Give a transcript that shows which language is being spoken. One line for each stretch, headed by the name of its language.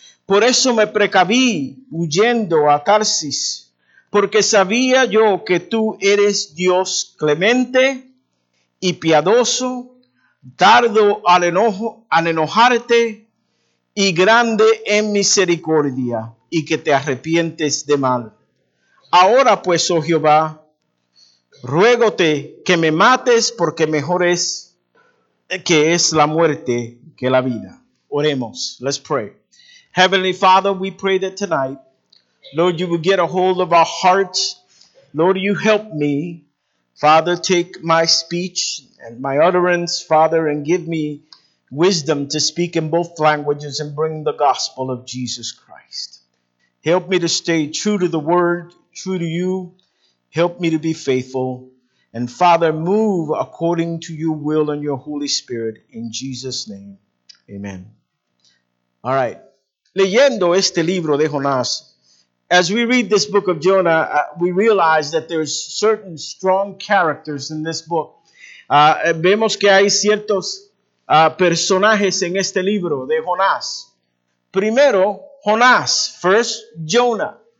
Spanish: Por eso me precaví huyendo a Tarsis, porque sabía yo que tú eres Dios clemente y piadoso, tardo al enojo, al enojarte, y grande en misericordia, y que te arrepientes de mal. Ahora pues, oh Jehová, ruégote que me mates, porque mejor es que es la muerte que la vida. Oremos.
English: Let's pray. Heavenly Father, we pray that tonight, Lord, you will get a hold of our hearts. Lord, you help me. Father, take my speech and my utterance, Father, and give me wisdom to speak in both languages and bring the gospel of Jesus Christ. Help me to stay true to the word, true to you. Help me to be faithful. And Father, move according to your will and your Holy Spirit. In Jesus' name, amen. All right.
Spanish: Leyendo este libro de Jonás,
English: as we read this book of Jonah, we realize that there's certain strong characters in this book.
Spanish: Vemos que hay ciertos personajes en este libro de Jonás. Primero, Jonás.
English: First, Jonah.